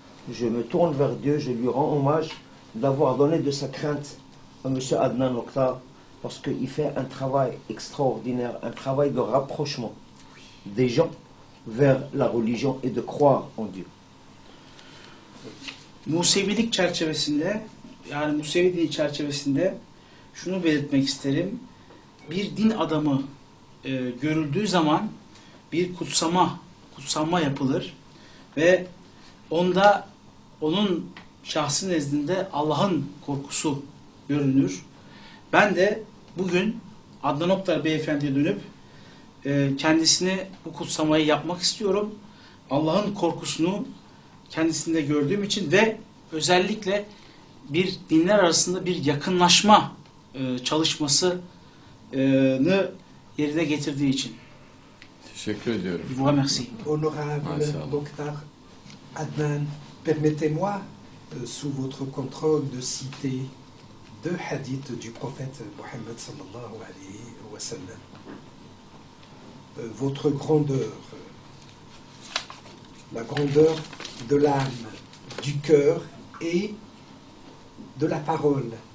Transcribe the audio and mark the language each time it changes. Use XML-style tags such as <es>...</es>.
<fr>Je me tourne vers Dieu, je lui rends hommage d'avoir donné de sa crainte à M. Adnan Oktar, parce qu'il fait un travail extraordinaire, un travail de rapprochement des gens vers la religion et de croire en Dieu.</fr> <tr>Musevilik çerçevesinde, yani Musevi'nin çerçevesinde şunu belirtmek isterim. Bir din adamı görüldüğü zaman bir kutsama yapılır ve onun şahsı nezdinde Allah'ın korkusu görünür. Ben de bugün Adnan Oktar Beyefendi'ye dönüp kendisine bu kutsamayı yapmak istiyorum. Allah'ın korkusunu kendisinde gördüğüm için ve özellikle bir dinler arasında bir yakınlaşma çalışmasını yerine getirdiği için. Teşekkür ediyorum.</tr> <fr>Bu merci. Honorable Doktor Adnan, permettez-moi sous votre contrôle de citer deux hadiths du prophète Mohammed</fr> <ar>sallallahu alayhi wa sallam.</ar> <fr>votre grandeur, la grandeur de l'âme, du cœur et de la parole.</fr>